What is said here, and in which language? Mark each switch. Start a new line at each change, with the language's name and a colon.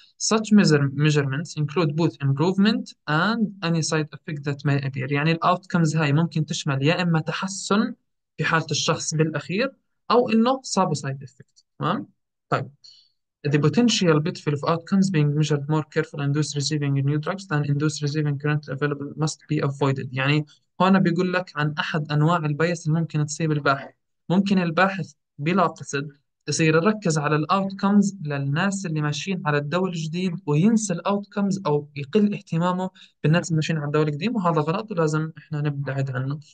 English: such measurements include both improvement and any side effect that may appear.
Arabic: يعني الـ outcomes هاي ممكن تشمل يا إما تحسن في حالة الشخص بالأخير، أو إنه صابه side effect، تمام.
English: طيب the potential benefit of outcomes being measured more carefully and those receiving new drugs than in those receiving currently available must be avoided.
Arabic: يعني هون بيقول لك عن أحد أنواع البيس اللي ممكن تصيب الباحث. ممكن الباحث بلا قصد يصير يركز على الأوتكمز للناس اللي ماشيين على الدواء الجديد، وينسى الأوتكمز أو يقل اهتمامه بالناس اللي ماشيين على الدواء القديم، وهذا غلط ولازم إحنا نبتعد عنه.